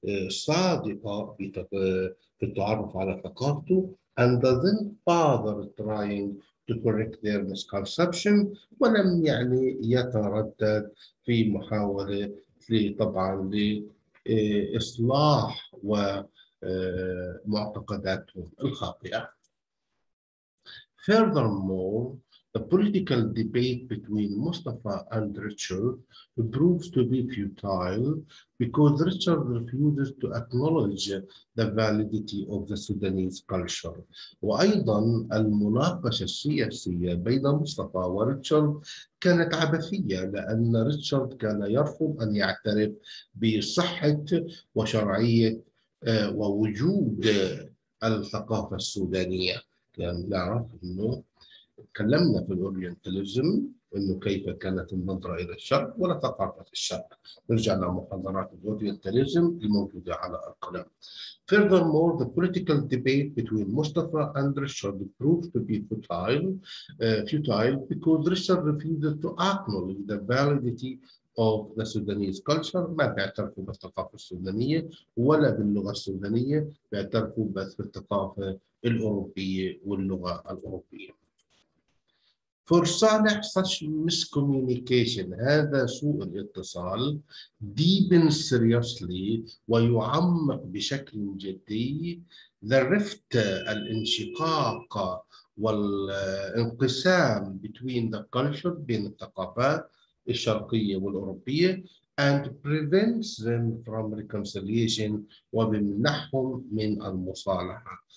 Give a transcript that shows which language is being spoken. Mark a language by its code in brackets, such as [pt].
[ar] صادقة في التعرف على ثقافته, [en] and doesn't bother trying to correct their misconception, [ar] ولم يعني يتردد في محاولة طبعا لإصلاح ومعتقداتهم الخاطئة. [en] Furthermore, the political debate between Mustafa and Richard proves to be futile because Richard refuses to acknowledge the validity of the Sudanese culture. [ar] وأيضا المناقشة السياسية بين مصطفى وريتشارد كانت عبثية لأن ريتشارد كان يرفض أن يعترف بصحة وشرعية ووجود الثقافة السودانية. كان نعرف أنه تكلمنا في الأورينتاليزم أنه كيف كانت النظرة إلى الشرق ولا ثقافة الشرق. نرجع لمحاضرات الأورينتاليزم الموجودة على القناة. [en] Furthermore, the political debate between Mustafa and Richard proved to be futile because Richard refused to acknowledge the validity of the Sudanese culture. [ar] ما بيعترفوا بالثقافة السودانية ولا باللغة السودانية, بيعترفوا بس بالثقافة الأوروبية واللغة الأوروبية. [en] For Saleh, such miscommunication, [ar] هذا سوء الاتصال, [en] deepens seriously, [ar] ويعمق بشكل جدي, [en] the rift, [ar] الانشقاق والانقسام [en] between the culture, [ar] بين الثقافات الشرقية والأوروبية, [en] and prevents them from reconciliation, [ar] وبمنحهم من المصالحة.